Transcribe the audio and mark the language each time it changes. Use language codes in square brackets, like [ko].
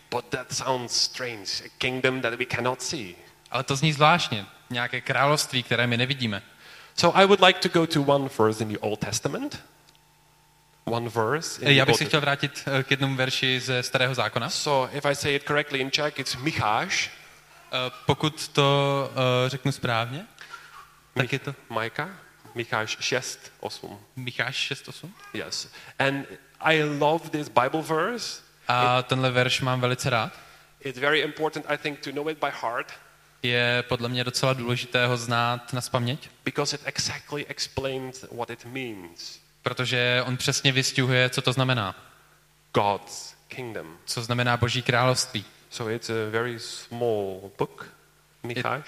[en] But that sounds strange, a kingdom that we cannot see. [cs] Ale to zní zvláštně, nějaké království, které my nevidíme. [en] So I would like to go to one verse in the Old Testament. One verse in the [cs] Já bych se chtěl vrátit k jednomu verši ze Starého zákona. [en] So if I say it correctly in Czech, it's Micháš. [cs] Pokud to řeknu správně, tak je to Micha, Micháš 6:8. Micháš 6:8? [en] Yes. And I love this Bible verse. [cs] A tenhle verš mám velice rád. [en] It's very important, I think, to know it by heart. [cs] Je podle mě docela důležité ho znát na spaměť. [en] Because it exactly explains what it means. [cs] Protože on přesně vystihuje, co to znamená. [en] God's kingdom. [cs] Co znamená Boží království. [en] So it's a very small book, Micháš.